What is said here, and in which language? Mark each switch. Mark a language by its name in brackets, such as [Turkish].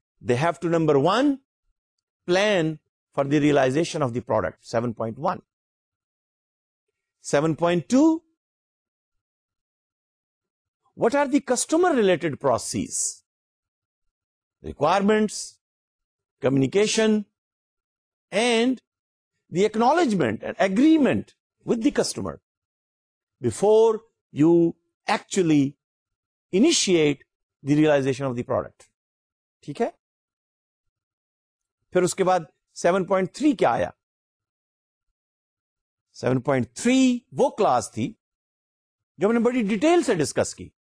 [English] they have to number 1 plan for the realization of the product 7.1 7.2 What are the customer-related processes? Requirements, communication, and the acknowledgement and agreement with the customer before you actually initiate the realization of the product. [Urdu] ٹھیک ہے؟ پھر اس کے بعد 7.3 کیا آیا؟ 7.3 وہ class تھی جو ہم نے بڑی ڈیٹیل سے ڈسکس کی.